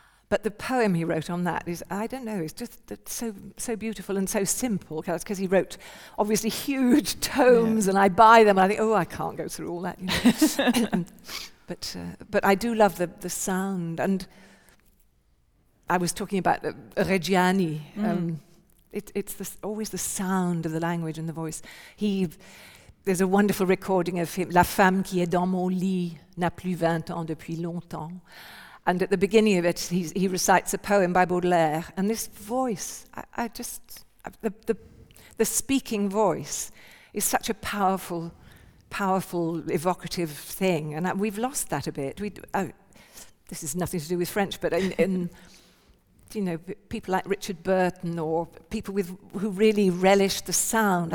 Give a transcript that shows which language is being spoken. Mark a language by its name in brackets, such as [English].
[English] But the poem he wrote on that is, I don't know, it's just so beautiful and so simple, because he wrote, obviously, huge tomes, and I buy them, and I think, oh, I can't go through all that, you know. But I do love the sound, and I was talking about Reggiani. It's always the sound of the language and the voice. There's a wonderful recording of him, [French] La femme qui est dans mon lit n'a plus 20 ans depuis longtemps. [English] And at the beginning of it, he recites a poem by Baudelaire. And this voice, the speaking voice is such a powerful, evocative thing, and we've lost that a bit. This is nothing to do with French, but in you know, people like Richard Burton or people who really relish the sound.